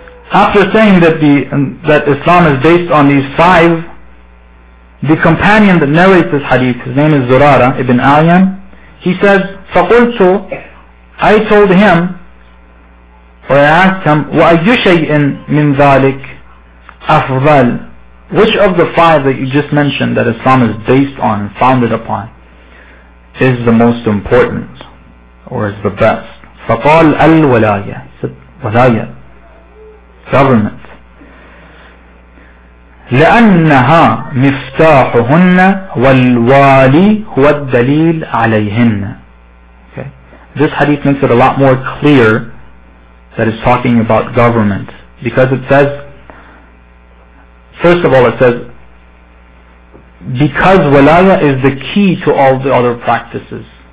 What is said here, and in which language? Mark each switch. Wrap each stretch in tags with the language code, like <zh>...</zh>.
<en>After saying that that Islam is based on these five, the companion that narrates this hadith, his name is Zurara ibn Ayyan, he says,</en> <ar>فَقُلْتُ,</ar> <en>I told him, or I asked him,</en> <ar>وَأَيُّ شَيْءٍ مِنْ ذَلِكَ أفضل,</ar> <en>which of the five that you just mentioned that Islam is based on, founded upon, is the most important or is the best?</en> <ar>فقال الولاية, ولاية, government. لأنها مفتاحهن والوالي هو الدليل عليهن.</ar> <en>Okay. This hadith makes it a lot more clear that it's talking about government, because it says, first of all, it says, because walaya is the key to all the other practices.</en>